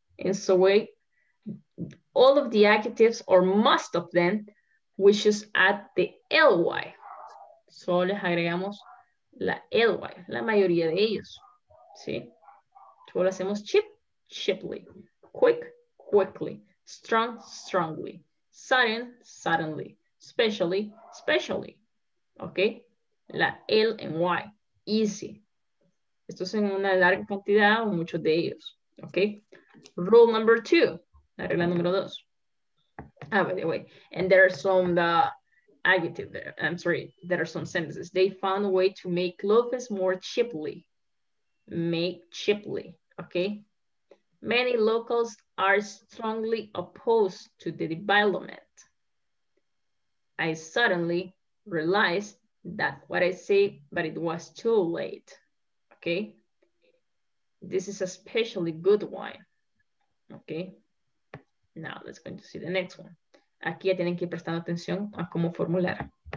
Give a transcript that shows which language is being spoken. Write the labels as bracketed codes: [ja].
[en] In some way, all of the adjectives or most of them, we just add the ly. [es] Solo les agregamos la ly, la mayoría de ellos. ¿Sí? Solo hacemos chip, chiply. Quick, quickly. [en] Strong, strongly. Sudden, suddenly. Specially, specially. Okay? La L and Y. Easy. [es] Esto es en una larga cantidad o muchos de ellos. [en] Okay? Rule number two. [es] La regla número dos. [en] Ah, by the way. And there are some the adjective there. I'm sorry. There are some sentences. They found a way to make loafers more cheaply. Make cheaply. Okay? Many locals are strongly opposed to the development. I suddenly realized that what I say, but it was too late. Okay. This is a especially good one. Okay. Now let's go to see the next one. [es] Aquí ya tienen que prestar atención a cómo formular.